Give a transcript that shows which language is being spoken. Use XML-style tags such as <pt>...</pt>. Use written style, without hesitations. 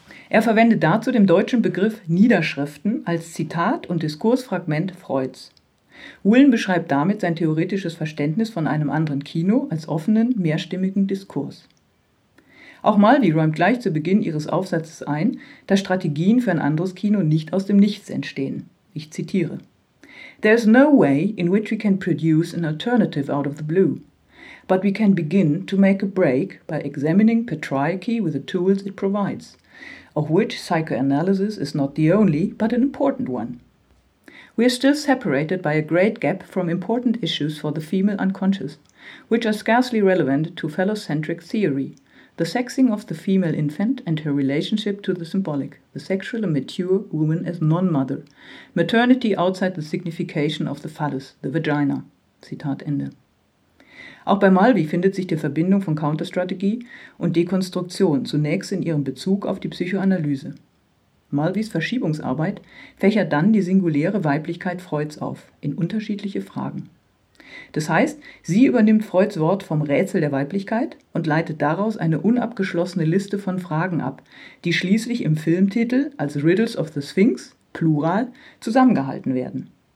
<de>Er verwendet dazu den deutschen Begriff Niederschriften als Zitat und Diskursfragment Freuds. Whelan beschreibt damit sein theoretisches Verständnis von einem anderen Kino als offenen, mehrstimmigen Diskurs. Auch Mulvey räumt gleich zu Beginn ihres Aufsatzes ein, dass Strategien für ein anderes Kino nicht aus dem Nichts entstehen.</de> <en>Ich zitiere: "There is no way in which we can produce an alternative out of the blue, but we can begin to make a break by examining patriarchy with the tools it provides, of which psychoanalysis is not the only, but an important one. We are still separated by a great gap from important issues for the female unconscious, which are scarcely relevant to phallocentric theory, the sexing of the female infant and her relationship to the symbolic, the sexual and mature woman as non-mother, maternity outside the signification of the phallus, the vagina."</en> <de>Zitat Ende. Auch bei Mulvey findet sich die Verbindung von Counterstrategie und Dekonstruktion zunächst in ihrem Bezug auf die Psychoanalyse. Mulveys Verschiebungsarbeit fächert dann die singuläre Weiblichkeit Freuds auf in unterschiedliche Fragen. Das heißt, sie übernimmt Freuds Wort vom Rätsel der Weiblichkeit und leitet daraus eine unabgeschlossene Liste von Fragen ab, die schließlich im Filmtitel als Riddles of the Sphinx, Plural, zusammengehalten werden.</de>